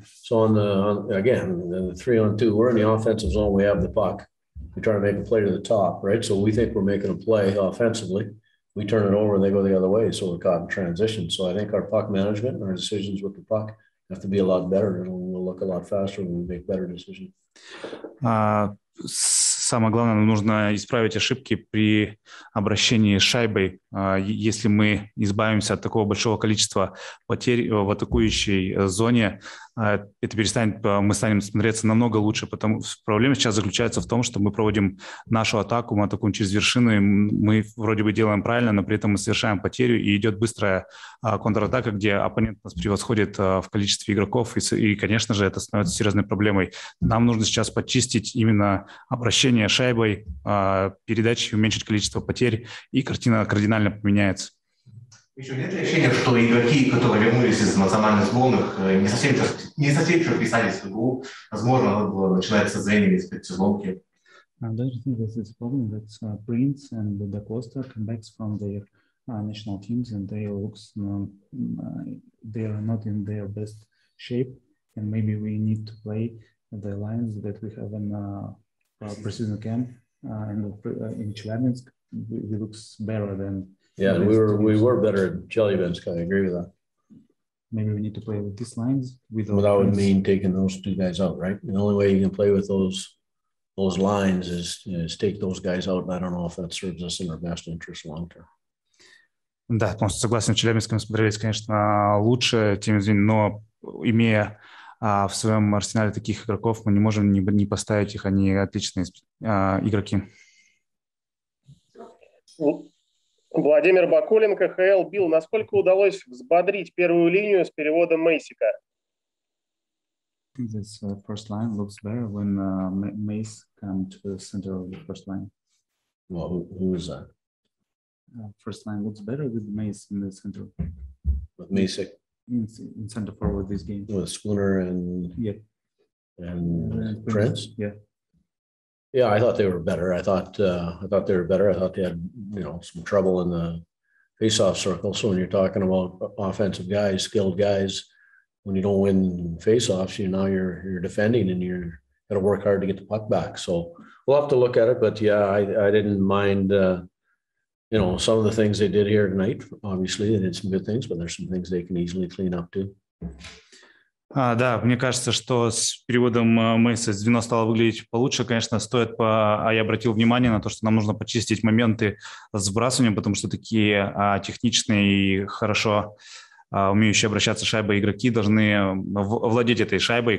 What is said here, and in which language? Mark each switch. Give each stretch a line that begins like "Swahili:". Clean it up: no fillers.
English: So on the 3-on-2, we're in the offensive zone. We have the puck. We try to make a play to the top, right? So we think we're making a play offensively. We turn it over, and they go the other way. So we're caught in transition. So I think our puck management and our decisions with the puck have to be a lot better. We'll look a lot faster when we make better decisions.
Russian: Самое главное, нам нужно исправить ошибки при обращении с шайбой. Если мы избавимся от такого большого количества потерь в атакующей зоне, это перестанет, мы станем смотреться намного лучше. Проблема сейчас заключается в том, что мы проводим нашу атаку, мы атакуем через вершину, и мы вроде бы делаем правильно, но при этом мы совершаем потерю, и идет быстрая контратака, где оппонент нас превосходит в количестве игроков, и конечно же, это становится серьезной проблемой. Нам нужно сейчас почистить именно обращение шайбой, передачи, уменьшить количество потерь, и картина кардинально поменяется. Еще нет ощущения, что игроки, которые вернулись из национальных сборных, не совсем еще вписались в игру. Возможно, надо было начинать с озарения, искать сезонки.
English: Don't you think this is a problem that Prince and Da Costa come back from their national teams and they look they are not in their best shape and maybe we need to play the lines that we have in preseason camp in Chelyabinsk. It looks better than Yeah, we were better at Chelyabinsk. I agree with that. Maybe we need to play with these lines. That would mean taking those two guys out, right? The only way you can play with those lines is take those guys out. And I don't know if that serves us in our best interest long term.
Russian: Да, полностью согласен. В Челябинске мы смотрелись, конечно, лучше, тем не менее, но имея в своем арсенале таких игроков мы не можем не поставить их, они отличные игроки. Владимир Бакулин, КХЛ. Билл, насколько удалось взбодрить первую линию с переводом Мейсика?
English: This first line looks better when Mace come to the center of the first line. Well, who is that? First line looks better with Mace in the center. With Mesic? In center forward this game. With Spooner and yeah. And Prince? Yeah. Yeah, I thought they were better. I thought they were better. I thought they had, you know, some trouble in the faceoff circle. So when you're talking about offensive guys, skilled guys, when you don't win faceoffs, you know, you're defending and you're got to work hard to get the puck back. So we'll have to look at it. But yeah, I didn't mind, you know, some of the things they did here tonight. Obviously, they did some good things, but there's some things they can easily clean up too.
Russian: Да, мне кажется, что с переводом Мейса звено стало выглядеть получше. Конечно, стоит а я обратил внимание на то, что нам нужно почистить моменты сбрасывания, потому что такие техничные и хорошо умеющие обращаться шайбой игроки должны владеть этой шайбой.